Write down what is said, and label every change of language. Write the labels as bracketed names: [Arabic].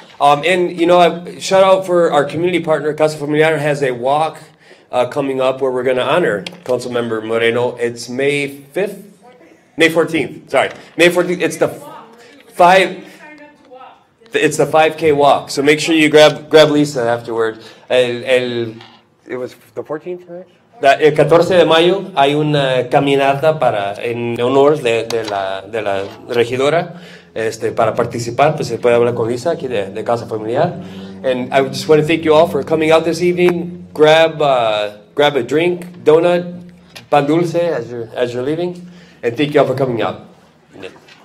[English] And, you know, shout out for our community partner, Casa Familiar, has a walk coming up where we're going to honor council member Moreno. It's May 5th? May 14th, sorry. May 14th, it's the 5... It's the 5K walk, so make sure you grab Lisa afterward. It was the 14th, right? [Spanish] El 14 de mayo hay una caminata para en honor de la regidora para participar, pues se puede hablar con Lisa aquí de Casa Familiar. [English] And I just want to thank you all for coming out this evening. Grab a drink, donut, pan dulce as you're leaving, and thank you all for coming out. Yeah.